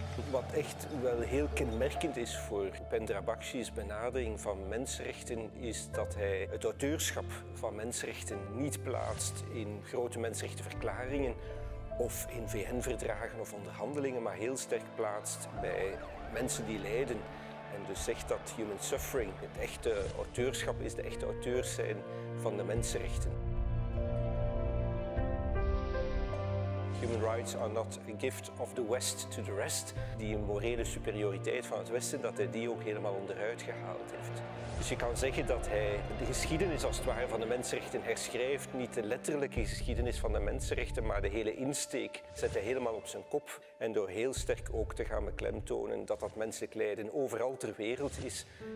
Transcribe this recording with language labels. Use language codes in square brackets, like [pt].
[nl] Wat echt wel heel kenmerkend is voor Upendra Baxi's benadering van mensenrechten, is dat hij het auteurschap van mensenrechten niet plaatst in grote mensenrechtenverklaringen of in VN-verdragen of onderhandelingen, maar heel sterk plaatst bij mensen die lijden. En dus zegt dat [en] human suffering, [nl] het echte auteurschap, is de echte auteurs zijn van de mensenrechten. [en] Human rights are not a gift of the West to the rest. [nl] Die morele superioriteit van het Westen, dat hij die ook helemaal onderuit gehaald heeft. Dus je kan zeggen dat hij de geschiedenis als het ware van de mensenrechten herschrijft. Niet de letterlijke geschiedenis van de mensenrechten, maar de hele insteek zet hij helemaal op zijn kop. En door heel sterk ook te gaan beklemtonen dat dat menselijk lijden overal ter wereld is.